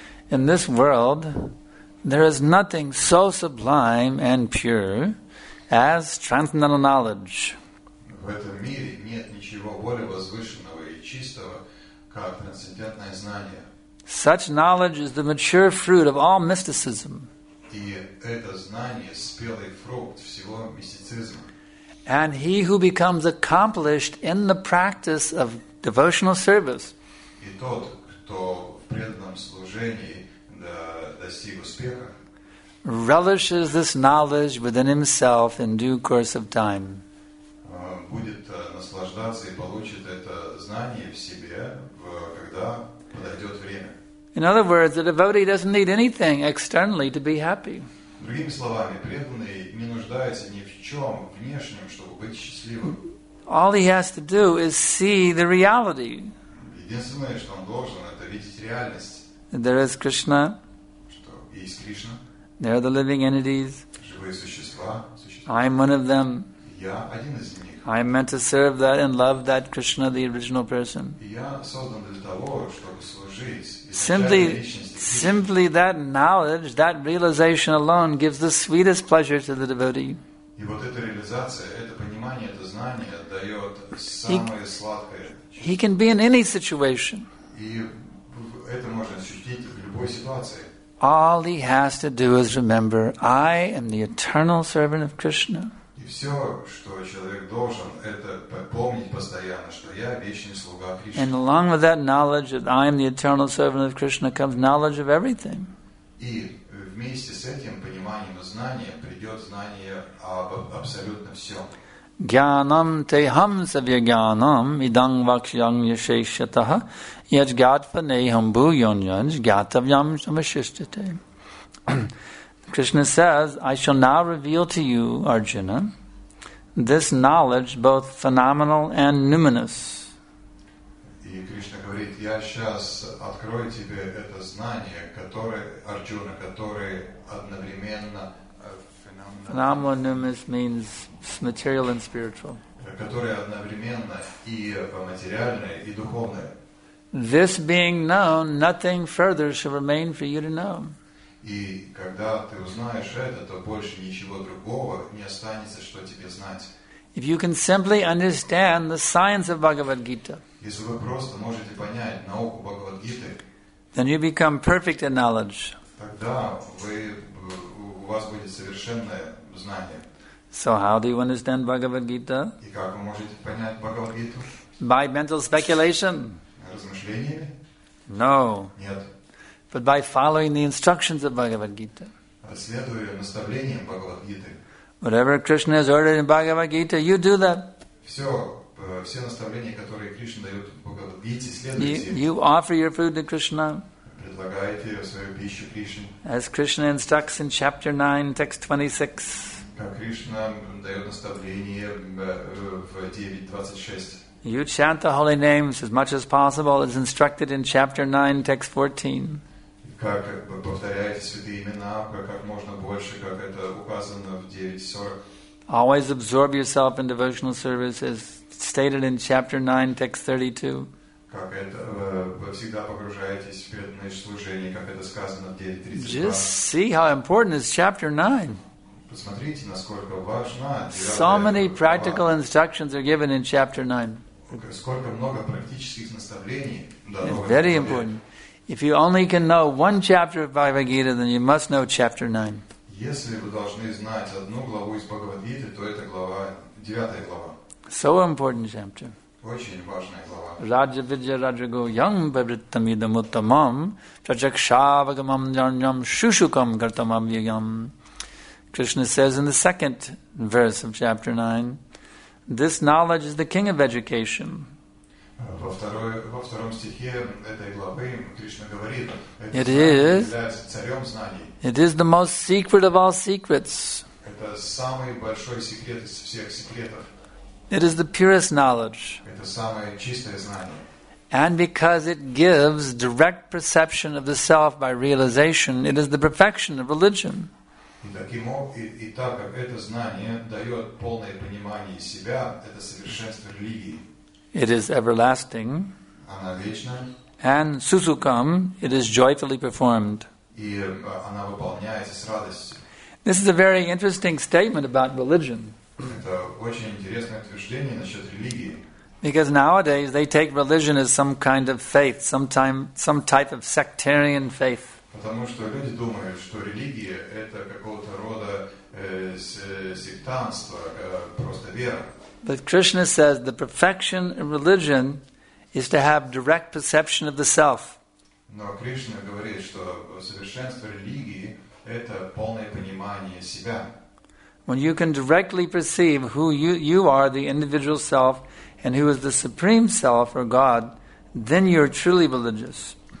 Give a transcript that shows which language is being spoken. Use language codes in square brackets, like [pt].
[en] In this world, there is nothing so sublime and pure as transcendental knowledge. [ru] В этом мире нет ничего более возвышенного и чистого, как трансцендентное знание. [en] Such knowledge is the mature fruit of all mysticism. [ru] И это знание – спелый фрукт всего мистицизма. [en] And he who becomes accomplished in the practice of devotional service, [ru] и тот, кто в преданном служении достиг успеха, [en] relishes this knowledge within himself in due course of time. [ru] Будет наслаждаться и получит это знание в себе, когда подойдет время. [en] In other words, a devotee doesn't need anything externally to be happy. [ru] Другими словами, преданный не нуждается ни в чем внешнем, чтобы быть счастливым. [en] All he has to do is see the reality. [ru] Единственное, что он должен, это видеть реальность. [en] There is Krishna. [ru] Что есть Кришна. [en] There are the living entities. [ru] Живые существа. [en] I am one of them. [ru] Я один из них. [en] I am meant to serve that and love that Krishna, the original person. [ru] Я создан для того, чтобы служить. [en] Simply that knowledge, that realization alone gives the sweetest pleasure to the devotee. [ru] И вот эта реализация, это понимание, это знание дает самое сладкое. [en] He can be in any situation. [ru] И это можно ощутить в любой ситуации. [en] All he has to do is remember, I am the eternal servant of Krishna. [ru] И все, что человек должен, это помнить постоянно, что я вечный слуга Кришны. [en] And along with that knowledge that I am the eternal servant of Krishna comes knowledge of everything. [ru] И вместе с этим пониманием и знанием придет знание об абсолютно всем. [sa] Gyanam teham savyagyanam idang vakshyam yasheshyatah yajgatvaneham bhuyonyaj gyatavyam samashishtate. [en] Krishna says, I shall now reveal to you, Arjuna, this knowledge, both phenomenal and numinous. [ru] И Кришна говорит: «Я сейчас открою тебе это знание, которое, Арджуна, которое одновременно [en] phenomenal means material and spiritual. [ru] Которое одновременно и материальное, и духовное. [en] This being known, nothing further should remain for you to know. [ru] И когда ты узнаешь это, то больше ничего другого не останется, что тебе знать. [en] If you can simply understand the science of Bhagavad Gita, [ru] если вы просто можете понять науку Бхагавад Гиты, [en] then you become perfect in knowledge. [ru] Тогда вы, у вас будет совершенное знание. [en] So how do you understand Bhagavad Gita? [ru] И как вы можете понять Бхагавад Гиту? [en] By mental speculation. [ru] Размышлениями? [en] No. [ru] Нет. [en] But by following the instructions of Bhagavad Gita. [ru] Следуя наставлениям Бхагавад Гиты. [en] Whatever Krishna has ordered in Bhagavad Gita, you do that. [ru] Все наставления, которые Кришна дает в Бхагавад Гите, следуйте. [en] You offer your food to Krishna. [ru] Предлагайте свою пищу Кришне. [en] As Krishna instructs in chapter 9, text 26. [ru] Как Кришна дает наставление в 9:26. [en] You chant the holy names as much as possible as instructed in chapter 9, text 14. [ru] Как повторяете святые имена, как можно больше, как это указано в 9:40. [en] Always absorb yourself in devotional service as stated in chapter 9, text 32. [ru] Как это, вы всегда погружаетесь в преданное служение, как это сказано в 9:32. [en] Just see how important is chapter 9. [ru] Посмотрите, насколько важна. [en] So many practical instructions are given in chapter 9. [ru] Сколько много практических наставлений дано. [en] It's very important. If you only can know one chapter of Bhagavad Gita, then you must know chapter 9. [ru] Если вы должны знать одну главу из Бхагавад Гиты, то это глава, 9 глава. [en] So important chapter. [ru] Очень важная глава. [sa] Раджа виджа раджа гуйям бабриттам идам уттамам прачакшавагамам джанням шушукам картамам вигам. [en] Krishna says in the second verse of chapter 9, this knowledge is the king of education. [ru] Во втором стихе этой главы Кришна говорит, [en] it is [ru] царем знаний. [en] It is the most secret of all secrets. [ru] Это самый большой секрет из всех секретов. [en] It is the purest knowledge. [ru] Это самое чистое знание. [en] And because it gives direct perception of the self by realization, it is the perfection of religion. [ru] И так как это знание дает полное понимание себя, это совершенство религии. [en] It is everlasting. [ru] Она вечна. [en] And susukam, it is joyfully performed. [ru] И она выполняется с радостью. [en] This is a very interesting statement about religion. [ru] Это очень интересное утверждение насчет религии. [en] Because nowadays they take religion as some kind of faith, some type of sectarian faith. [ru] Потому что люди думают, что религия – это какого-то рода сектантство, просто вера. [en] But Krishna says the perfection of religion is to have direct perception of the self. [ru] Но Кришна говорит, что совершенство религии – это полное понимание себя. [en] When you can directly perceive who you are, the individual self, and who is the supreme self or God, then you're truly religious.